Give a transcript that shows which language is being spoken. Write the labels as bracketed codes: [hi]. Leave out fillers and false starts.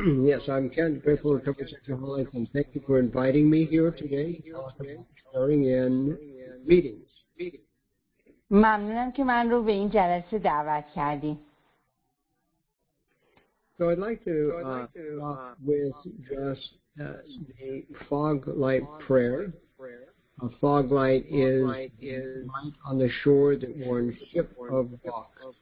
[en] Yes, I'm Ken, grateful for coming to Central Life, and thank you for inviting me here today to talk about sharing in meetings. [fa] ممنونم که من رو به این جلسه دعوت کردی. [en] So I'd like to talk with just the fog light prayer. A fog light is light on the shore that warns ship of rock.